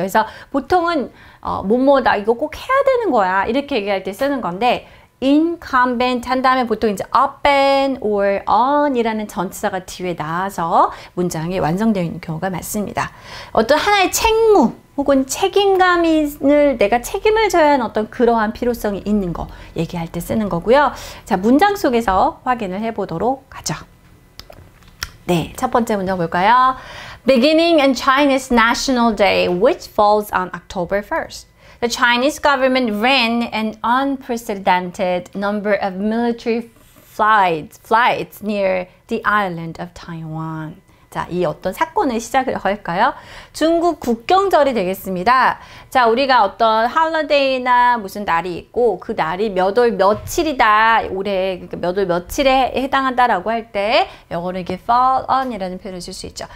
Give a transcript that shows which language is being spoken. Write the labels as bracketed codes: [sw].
[ko] 그래서 보통은 몸모다, 이거 꼭 해야 되는 거야 이렇게 얘기할 때 쓰는 건데 incumbent 한 다음에 보통 이제 [en] up and or on [ko] 이라는 전치사가 뒤에 나와서 문장이 완성되어 있는 경우가 많습니다. 어떤 하나의 책무 혹은 책임감을 내가 책임을 져야 하는 어떤 그러한 필요성이 있는 거 얘기할 때 쓰는 거고요. 자, 문장 속에서 확인을 해보도록 하죠. 네, 첫 번째 문장 볼까요? [en] Beginning in China's National Day, which falls on October 1st. The Chinese government ran an unprecedented number of military flights near the island of Taiwan. [ko] 자, 이 어떤 사건을 시작을 할까요? 중국 국경절이 되겠습니다. 자, 우리가 어떤 홀리데이나 무슨 날이 있고 그 날이 몇 월 며칠이다, 올해 그러니까 몇 월 며칠에 해당한다라고 할 때 영어로 이게 [en] fall on [ko] 이라는 표현을 쓸 수 있죠.